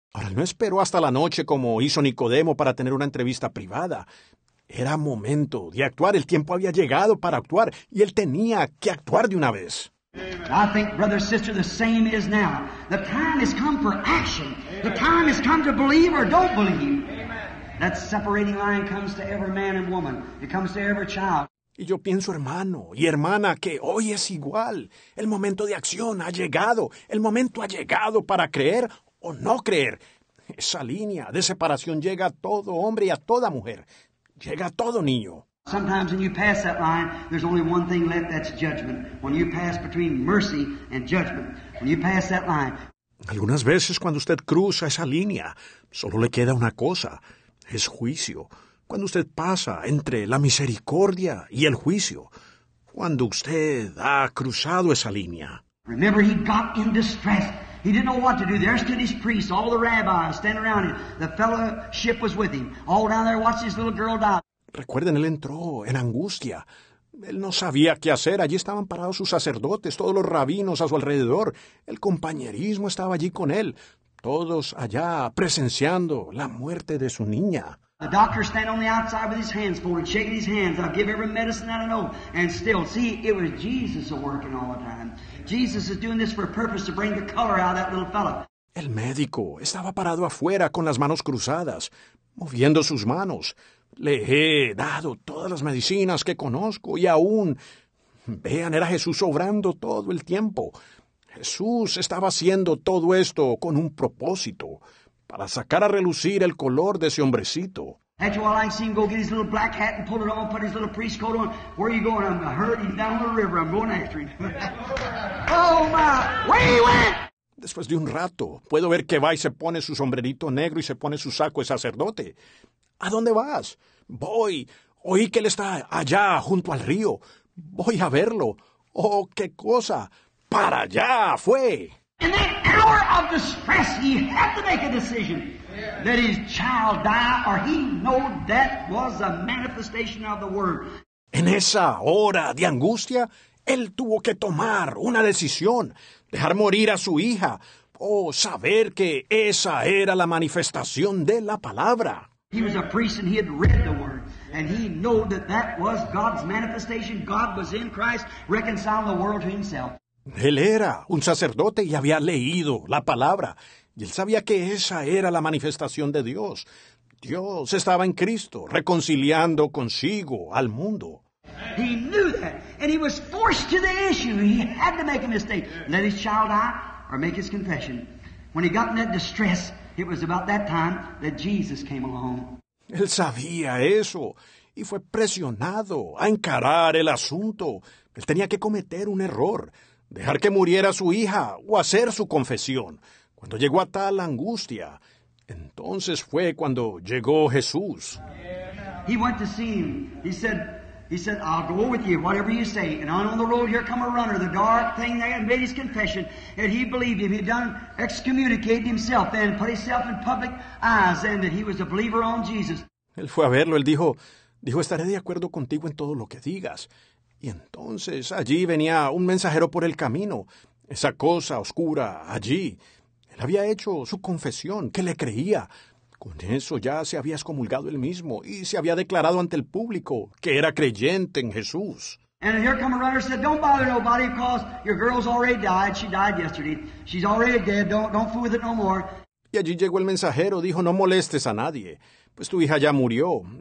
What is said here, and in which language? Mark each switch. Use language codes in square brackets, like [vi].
[es] Ahora, no esperó hasta la noche como hizo Nicodemo para tener una entrevista privada. Era momento de actuar. El tiempo había llegado para actuar, y él tenía que actuar de una vez. [en] I think, brother, sister, the same is now. The time has come for action. The time has come to believe or don't believe. That separating line comes to every man and woman. It comes to every child. [es] Y yo pienso, hermano y hermana, que hoy es igual. El momento de acción ha llegado. El momento ha llegado para creer o no creer. Esa línea de separación llega a todo hombre y a toda mujer. Llega a todo niño. [en] Sometimes when you pass that line, there's only one thing left, that's judgment. When you pass between mercy and judgment, when you pass that line. [es] Algunas veces cuando usted cruza esa línea, solo le queda una cosa, es juicio. Cuando usted pasa entre la misericordia y el juicio, cuando usted ha cruzado esa línea. [en] Remember, he got in distress. He didn't know what to do. There stood his priests, all the rabbis standing around him. The fellowship was with him. All down there watched his little girl die. [es] Recuerden, él entró en angustia. Él no sabía qué hacer. Allí estaban parados sus sacerdotes, todos los rabinos a su alrededor. El compañerismo estaba allí con él. Todos allá presenciando la muerte de su niña. [en] The doctor standing on the outside with his hands folded, shaking his hands. I'll give every medicine that I know. And still, see, it was Jesus working all the time. Jesus is doing this for a purpose to bring the color out of that little fellow. [es] El médico estaba parado afuera con las manos cruzadas, moviendo sus manos. Le he dado todas las medicinas que conozco y aún, vean, era Jesús obrando todo el tiempo. Jesús estaba haciendo todo esto con un propósito, para sacar a relucir el color de ese hombrecito. [en] That's why I see him go get his little black hat and pull it off, put his little priest coat on. Where are you going? I'm hurt. He's down the river. I'm going after him. Oh, my. Where he went? [es] Después de un rato, puedo ver que va y se pone su sombrerito negro y se pone su saco de sacerdote. ¿A dónde vas? Voy. Oí que él está allá, junto al río. Voy a verlo. Oh, qué cosa. Para allá fue. [en] In the hour of distress, he had to make a decision. Let his child die, or he knew that was a manifestation of the word. [es] En esa hora de angustia, él tuvo que tomar una decisión, dejar morir a su hija, o saber que esa era la manifestación de la palabra. [en] He was a priest and he had read the word, and he knew that that was God's manifestation. God was in Christ, reconciling the world to himself. [es] Él era un sacerdote y había leído la palabra. Y él sabía que esa era la manifestación de Dios. Dios estaba en Cristo, reconciliando consigo al mundo. [en] He knew that, and he was forced to the issue. He had to make a mistake. Let his child die, or make his confession. When he got in that distress, it was about that time that Jesus came along. [es] Él sabía eso, y fue presionado a encarar el asunto. Él tenía que cometer un error, dejar que muriera su hija, o hacer su confesión. Cuando llegó a tal angustia, entonces fue cuando llegó Jesús. [en] He went to see him. He said, I'll go with you, whatever you say. And on the road, here come a runner, the dark thing there, and made his confession. And he believed him. He'd done excommunicated himself then, put himself in public eyes then, that he was a believer on Jesus. [es] Él fue a verlo. Él dijo, estaré de acuerdo contigo en todo lo que digas. Y entonces allí venía un mensajero por el camino, esa cosa oscura allí. Él había hecho su confesión, que le creía. Con eso ya se había excomulgado él mismo y se había declarado ante el público que era creyente en Jesús. [en] And here come a runner said, don't bother nobody because your girl's already died. She died yesterday. She's already dead. Don't fool with it no more. [es] Y allí llegó el mensajero, dijo, no molestes a nadie, pues tu hija ya murió.